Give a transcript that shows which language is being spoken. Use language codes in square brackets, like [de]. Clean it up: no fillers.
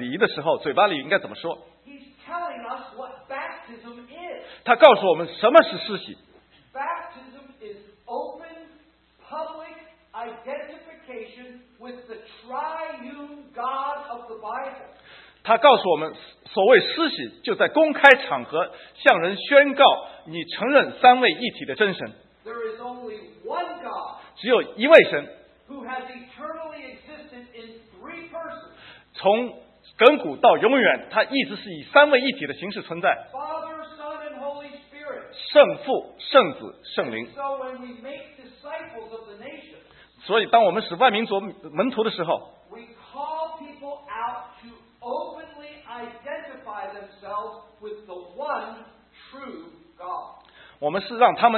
[zh] 但当然，耶稣在这里并不是告诉我们，我作为牧师，你在给人做施洗礼仪的时候，嘴巴里应该怎么说。 [en] He's telling us what baptism is. [zh] 他告诉我们什么是施洗。 [en] Baptism is open public identification with the triune God of the Bible. [zh] 他告诉我们，所谓施洗，就在公开场合向人宣告你承认三位一体的真神。 [en] There is only one God. [zh] 只有一位神。 [en] Who has eternally existed in three persons. [zh] 从亘古到永远，他一直是以三位一体的形式存在。 [en] Father, Son, and Holy Spirit. [zh] 圣父、圣子、圣灵。 [en] So when we make disciples of the nations. [zh] 所以当我们使万民做门徒的时候， [en] we call people out to openly identify themselves with the one true God.